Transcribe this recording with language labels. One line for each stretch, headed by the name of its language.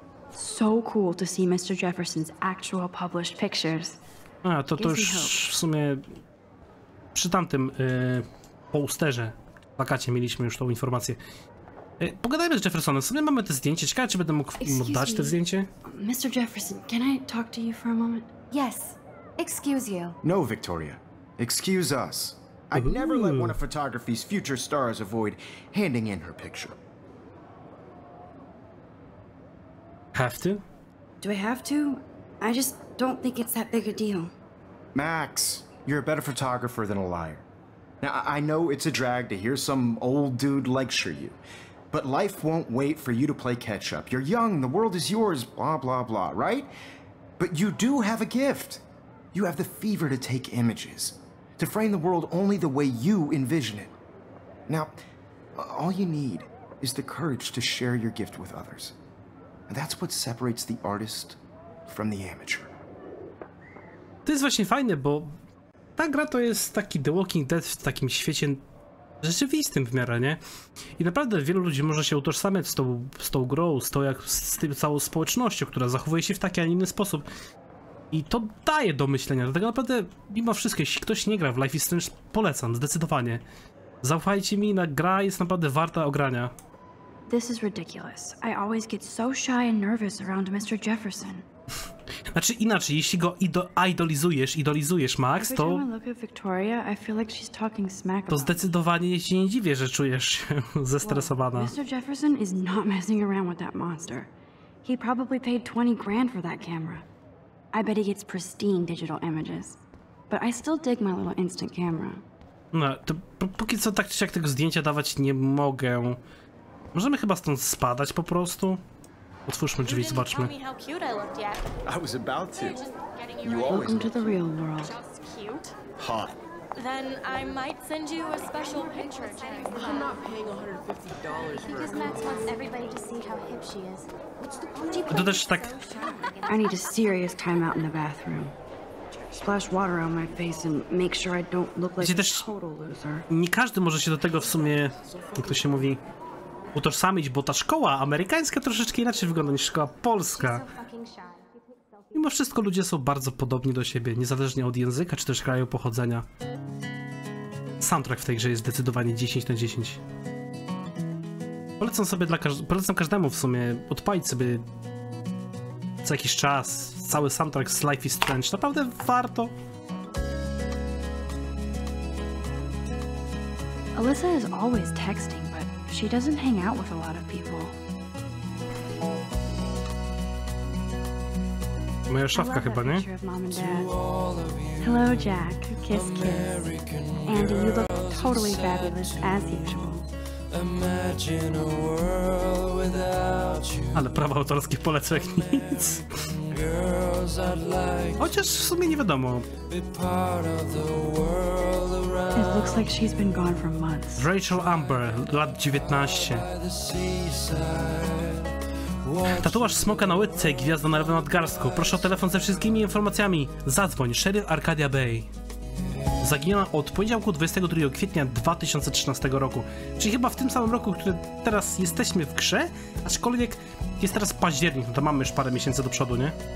English: So cool to see Mr. Jefferson's actual published pictures.
Polish: A, to już w sumie przy tamtym posterze, plakacie mieliśmy już tą informację. Pogadajmy z Jeffersonem, w sumie mamy te zdjęcie. Ciekawe, czy będę mógł dać te zdjęcie.
English: Mr. Jefferson, can I talk to you for a moment? Yes. Excuse you. No, Victoria. Excuse us. I'd never let one of photography's future stars avoid handing in her picture. Have to? Do I have to? I just don't think it's that big a deal. Max, you're a better photographer than a liar. Now, I know it's a drag to hear some old dude lecture you, but life won't wait for you to play catch up. You're young, the world is yours, blah, blah, blah, right? But you do have a gift. You have the fever to take images. To frame the world only the way you envision it. Now, all you need is the courage to share your gift with others. And that's what separates the artist from the amateur.
Polish: To jest właśnie fajne, bo ta gra to jest taki The Walking Dead w takim świecie rzeczywistym w miarę, nie? I naprawdę wielu ludzi może się utożsamiać z tą grą, z tą całą społecznością, która zachowuje się w taki, a nie inny sposób. I to daje do myślenia, dlatego naprawdę, mimo wszystko, jeśli ktoś nie gra w Life is Strange, polecam, zdecydowanie. Zaufajcie mi, na gra jest naprawdę warta ogrania.
English: This is ridiculous. I always get so shy and nervous around Mr. Jefferson.
Polish: Znaczy inaczej, jeśli go idolizujesz, Max, to...
English: Every time I look at Victoria, I feel like she's talking smack.
Polish: To zdecydowanie się nie dziwię, że czujesz się zestresowana.
English: Well, Mr. Jefferson is not messing around with that monster. He probably paid 20 grand for that camera. I bet he gets pristine digital images. But I still dig my little instant camera.
Polish: No, to póki co tak czy siak tego zdjęcia dawać nie mogę. Możemy chyba stąd spadać po prostu. Otwórzmy drzwi, zobaczmy.
English: I was about to. You welcome to the real world. Hot. Then I might send you a special picture, James. I'm not paying $150 for because Max wants everybody to see how hip she is.
Polish: To też tak.
English: I need a serious time out in the bathroom. Splash water on my face and make sure I don't look like a total loser.
Polish: Nie każdy może się do tego w sumie, jak to się mówi, utożsamić, bo ta szkoła amerykańska troszeczkę inaczej wygląda niż szkoła polska. Mimo wszystko ludzie są bardzo podobni do siebie, niezależnie od języka czy też kraju pochodzenia. Soundtrack w tej grze jest zdecydowanie 10 na 10. Polecam każdemu w sumie odpalić sobie co jakiś czas cały soundtrack z Life is Strange. Naprawdę warto.
English: Alyssa is always texting, but she doesn't hang out with a lot of people.
Polish: Moja szafka chyba, nie?
English: Hello Jack, kiss kiss. Andy, you look totally fabulous as usual. Imagine a world without you.
Polish: Ale prawa autorskie polecę jak nic. Chociaż w sumie nie wiadomo.
English: It looks like she's been gone for months.
Polish: Rachel Amber, lat 19. Tatuaż smoka na łydce i gwiazda na lewym nadgarstku. Proszę o telefon ze wszystkimi informacjami. Zadzwoń, Sheriff Arcadia Bay. Zaginiona od poniedziałku 22 kwietnia 2013 roku. Czyli chyba w tym samym roku, który teraz jesteśmy w grze, aczkolwiek jest teraz październik, no to mamy już parę miesięcy do przodu, nie?